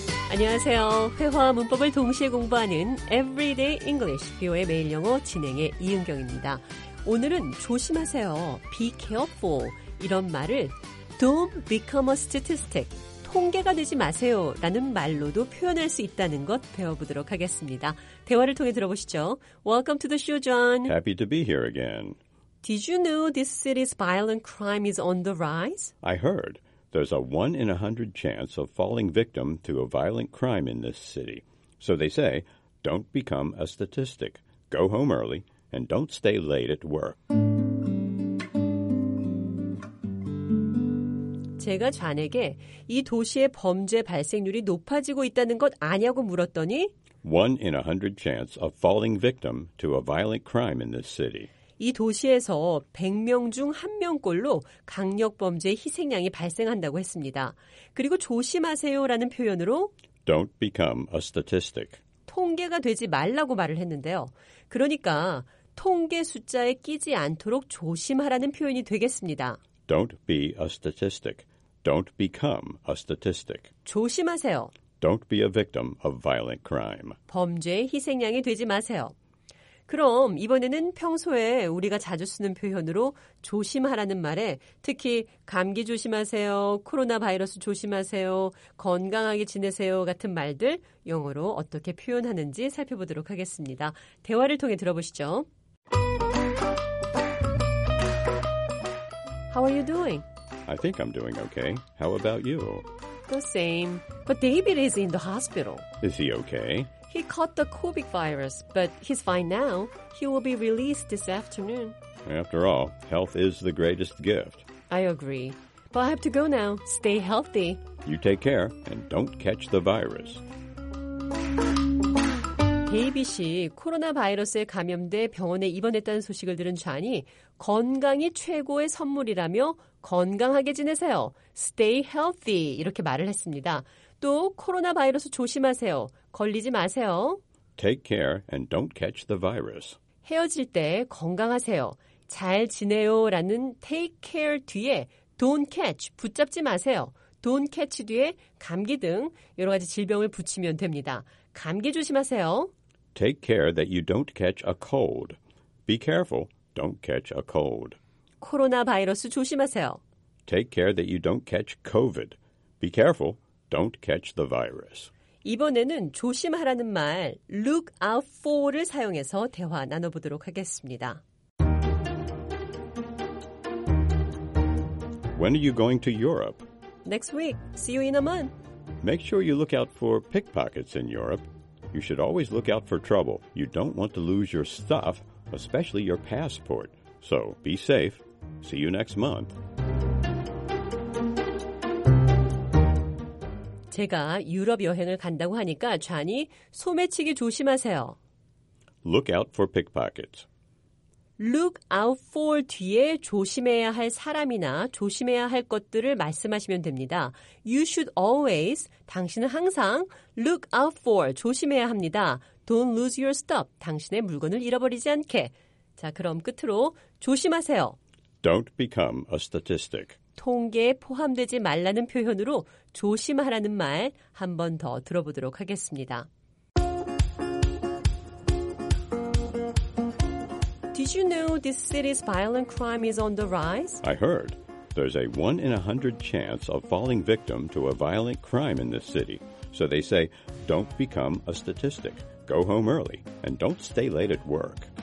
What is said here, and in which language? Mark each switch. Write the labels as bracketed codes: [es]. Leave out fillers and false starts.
[ko] 안녕하세요. 회화와 문법을 동시에 공부하는 Everyday English, 비오의 매일 영어 진행의 이은경입니다. 오늘은 조심하세요. [en] Be careful. [ko] 이런 말을 [en] Don't become a statistic. [ko] 통계가 되지 마세요. 라는 말로도 표현할 수 있다는 것 배워보도록 하겠습니다. 대화를 통해 들어보시죠. [en] Welcome to the show, John. Happy to be here again. Did you know this city's violent crime is on the rise? I heard. There's a 1 in 100 chance of falling victim to a violent crime in this city. So they say, don't become a statistic. Go home early and don't stay late at work. [ko] 제가 잔에게 이 도시의 범죄 발생률이 높아지고 있다는 것 아냐고 물었더니 [en] 1 in 100 chance of falling victim to a violent crime in this city. [ko] 이 도시에서 100명 중 1명꼴로 강력 범죄의 희생양이 발생한다고 했습니다. 그리고 조심하세요라는 표현으로 [en] Don't become a statistic. [ko] 통계가 되지 말라고 말을 했는데요. 그러니까 통계 숫자에 끼지 않도록 조심하라는 표현이 되겠습니다. [en] Don't be a statistic. Don't become a statistic. [ko] 조심하세요. [en] Don't be a victim of violent crime. [ko] 범죄의 희생양이 되지 마세요. 그럼 이번에는 평소에 우리가 자주 쓰는 표현으로 조심하라는 말에 특히 감기 조심하세요, 코로나 바이러스 조심하세요, 건강하게 지내세요 같은 말들 영어로 어떻게 표현하는지 살펴보도록 하겠습니다. 대화를 통해 들어보시죠. [en] How are you doing? I think I'm doing okay. How about you? The same. But David is in the hospital. Is he okay? He caught the COVID virus, but he's fine now. He will be released this afternoon. After all, health is the greatest gift. I agree. But I have to go now. Stay healthy. You take care and don't catch the virus. [ko] 데이비 씨, 코로나 바이러스에 감염돼 병원에 입원했다는 소식을 들은 쟈니, 건강이 최고의 선물이라며 건강하게 지내세요. [en] Stay healthy, [ko] 이렇게 말을 했습니다. 또 코로나 바이러스 조심하세요. 걸리지 마세요. [en] Take care and don't catch the virus. [ko] 헤어질 때 건강하세요. 잘 지내요 라는 take care 뒤에 don't catch, 붙잡지 마세요. Don't catch 뒤에 감기 등 여러 가지 질병을 붙이면 됩니다. 감기 조심하세요. [en] Take care that you don't catch a cold. Be careful, don't catch a cold. [ko] 코로나 바이러스 조심하세요. [en] Take care that you don't catch COVID. Be careful, don't catch the virus. [ko] 이번에는 조심하라는 말, look out for를 사용해서 대화 나눠보도록 하겠습니다. [en] When are you going to Europe? Next week. See you in a month. Make sure you look out for pickpockets in Europe. You should always look out for trouble. You don't want to lose your stuff, especially your passport. So, be safe. See you next month. [ko] 제가 유럽 여행을 간다고 하니까 쟈니 소매치기 조심하세요. [en] Look out for pickpockets. [ko] Look out for 뒤에 조심해야 할 사람이나 조심해야 할 것들을 말씀하시면 됩니다. [en] You should always, [ko] 당신은 항상 [en] look out for, [ko] 조심해야 합니다. [en] Don't lose your stuff, [ko] 당신의 물건을 잃어버리지 않게. 자, 그럼 끝으로 조심하세요. [en] Don't become a statistic. [ko] 통계에 포함되지 말라는 표현으로 조심하라는 말 한 번 더 들어보도록 하겠습니다. [en] Did you know this city's violent crime is on the rise? I heard. There's a 1 in 100 chance of falling victim to a violent crime in this city. So they say, don't become a statistic. Go home early and don't stay late at work.